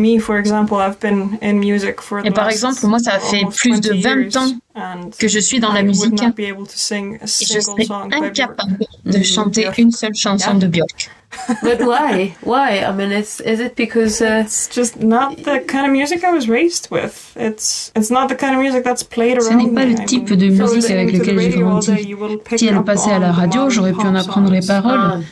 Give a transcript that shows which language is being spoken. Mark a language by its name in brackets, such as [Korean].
[French] Et par exemple, moi, ça fait plus de 20 ans que je suis dans la musique et je serais incapable de chanter une seule chanson de Björk. [English] But why? I mean, is it because it's just not the kind of music I was raised with. It's not the kind of music that's played around. [French] Ce n'est pas le type de musique avec lequel j'ai grandi. Si elle passait à la radio, j'aurais pu en apprendre les paroles.